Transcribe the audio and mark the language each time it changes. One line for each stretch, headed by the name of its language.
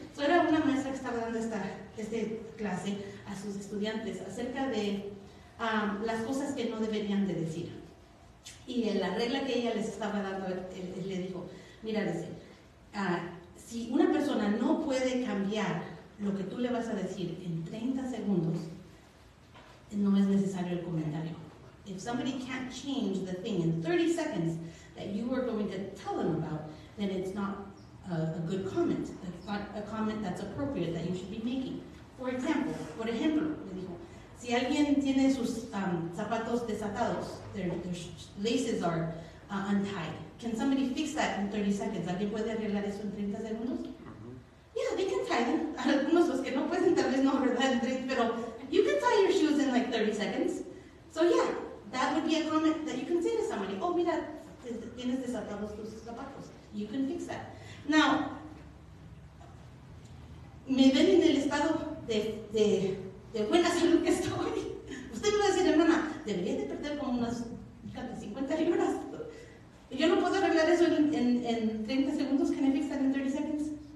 Spanish: So era una maestra que estaba dando esta clase a sus estudiantes acerca de las cosas que no deberían de decir. Y en la regla que ella les estaba dando, le dijo, mira, dice, si una persona no puede cambiar lo que tú le vas a decir en 30 segundos, no es necesario el comentario.
English: If somebody can't change the thing in 30 seconds that you are going to tell them about, then it's not a good comment. It's not a comment that's appropriate that you should be making.
Spanish: Por ejemplo, le dijo, si alguien tiene sus zapatos desatados,
English: their laces are untied, can somebody fix that in 30 seconds?
Spanish: ¿Alguien puede arreglar eso en 30 segundos? Mm-hmm.
English: Yeah, they can tie them.
Spanish: Algunos los que no pueden, tal vez no, ¿verdad?
English: Pero you can tie your shoes in like 30 seconds. So yeah, that would be a comment that you can say to somebody.
Spanish: Oh, mira, tienes desatados tus zapatos.
English: You can fix that.
Spanish: Now, me ven en el estado de buena salud que estoy. Usted me va a decir, hermana, debería de perder como unas 50 libras. Yo no puedo arreglar eso en 30 segundos.
English: Can I fix that in 30 seconds?